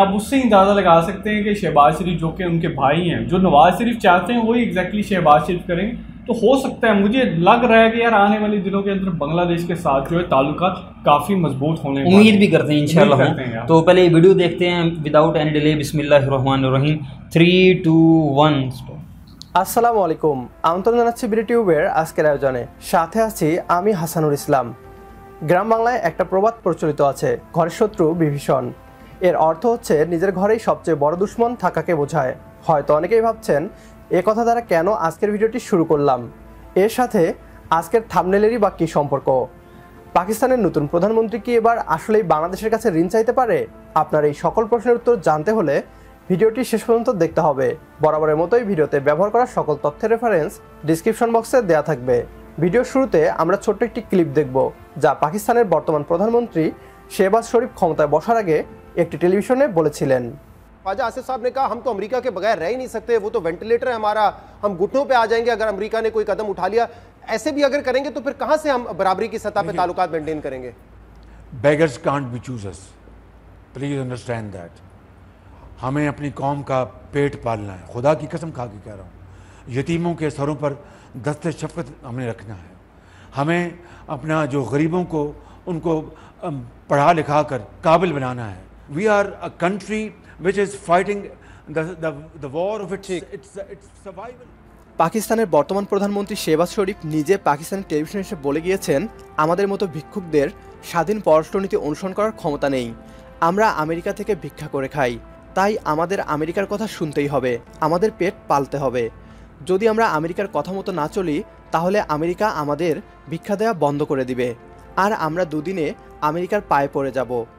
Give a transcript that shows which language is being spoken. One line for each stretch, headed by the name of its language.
Hindi: आप उससे ही अंदाजा लगा सकते हैं कि शहबाज शरीफ जो कि उनके भाई हैं, जो नवाज शरीफ चाहते हैं वही एग्जैक्टली शहबाज शरीफ करेंगे. तो हो सकता है, मुझे लग रहा है कि यार आने वाले दिनों के अंदर बांग्लादेश के साथ जो है ताल्लुकात काफ़ी मजबूत होने की उम्मीद भी करते हैं इंशाल्लाह. तो पहले वीडियो देखते हैं
English: Without any delay.
Hindi: बिस्मिल्लाहिर्रहमानिर्रहीम. 3, 2, 1.
Bangla: আসসালামু আলাইকুম, আমন্ত্রণ জানাচ্ছি বিউটিউবের আজকের আয়োজনে. সাথে আছি আমি হাসানুল ইসলাম. গ্রাম বাংলায় একটা প্রবাদ প্রচলিত আছে, ঘরের শত্রু বিভীষণ. এর অর্থ হচ্ছে নিজের ঘরেই সবচেয়ে বড় দুশ্মন থাকাকে বোঝায়. হয়তো অনেকেই ভাবছেন এ কথা দ্বারা কেন আজকের ভিডিওটি শুরু করলাম, এর সাথে আজকের থাম্বনেলেরই বা কী সম্পর্ক. পাকিস্তানের নতুন প্রধানমন্ত্রী কি এবার আসলেই বাংলাদেশের কাছে ঋণ চাইতে পারে? আপনার এই সকল প্রশ্নের উত্তর জানতে হলে ভিডিওটি শেষ পর্যন্ত দেখতে হবে. বরাবরের মতোই ভিডিওতে ব্যবহার করা সকল তথ্যের রেফারেন্স ডিসক্রিপশন বক্সে দেওয়া থাকবে. ভিডিওর শুরুতে আমরা ছোট্ট একটি ক্লিপ দেখব, যা পাকিস্তানের বর্তমান প্রধানমন্ত্রী শেহবাজ শরীফ ক্ষমতায় বসার আগে একটি টেলিভিশনে বলেছিলেন.
Hindi: ख्वाजा आसिफ साहब ने कहा हम तो अमेरिका के बगैर रह ही नहीं सकते, वो तो वेंटिलेटर है हमारा, हम घुटनों पे आ जाएंगे अगर अमेरिका ने कोई कदम उठा लिया. ऐसे भी अगर करेंगे तो फिर कहां से हम बराबरी की सतह पे ताल्लुकात मेंटेन करेंगे?
English: Beggars can't be choosers, please understand that.
Hindi: हमें अपनी कौम का पेट पालना है, खुदा की कसम खा के कह रहा हूँ. यतीमों के सरों पर दस्त शफकत हमें रखना है. हमें अपना जो गरीबों को उनको पढ़ा लिखा कर काबिल बनाना है.
English: We are a country which is fighting the war of its survival.
Bangla: পাকিস্তানের বর্তমান প্রধানমন্ত্রী শেহবাজ শরীফ নিজে পাকিস্তানের টেলিভিশনে এসে বলে গিয়েছেন, আমাদের মতো ভিক্ষুকদের স্বাধীন পররাষ্ট্রনীতি অনুসরণ করার ক্ষমতা নেই, আমরা আমেরিকা থেকে ভিক্ষা করে খাই, তাই আমাদের আমেরিকার কথা শুনতেই হবে, আমাদের পেট পালতে হবে. যদি আমরা আমেরিকার কথা মতো না চলি তাহলে আমেরিকা আমাদের ভিক্ষা দেওয়া বন্ধ করে দিবে আর আমরা দুদিনে আমেরিকার পায়ে পড়ে যাব.